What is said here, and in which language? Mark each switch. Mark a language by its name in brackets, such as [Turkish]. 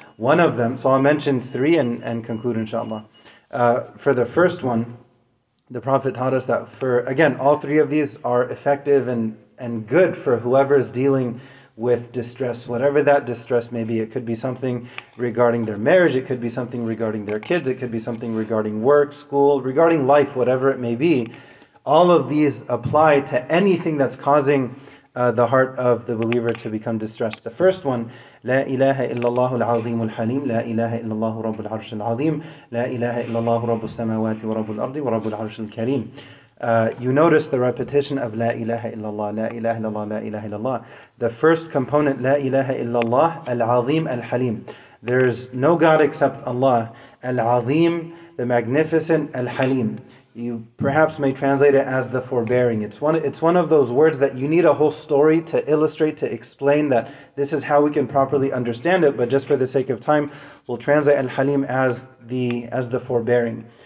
[English] One of them, so I'll mention three and conclude inshallah. For the first one, the Prophet taught us that all three of these are effective and good for whoever is dealing with distress, whatever that distress may be. It could be something regarding their marriage, it could be something regarding their kids, it could be something regarding work, school, regarding life, whatever it may be. All of these apply to anything that's causing the heart of the believer to become distressed. The first one, [Arabic] لا إله إلا الله العظيم الحليم لا إله إلا الله رب العرش العظيم لا إله إلا الله رب السماوات ورب الأرض ورب العرش الكريم. [English] You notice the repetition of [Arabic] لا إله إلا الله لا إله إلا الله لا إله إلا الله. [English] The first component, [Arabic] لا إله إلا الله العظيم الحليم. [English] There is no God except Allah, العظيم, the magnificent, الحليم. You perhaps may translate it as the forbearing. It's one of those words that you need a whole story to illustrate, to explain that this is how we can properly understand it. But just for the sake of time, we'll translate Al-Halim as the forbearing.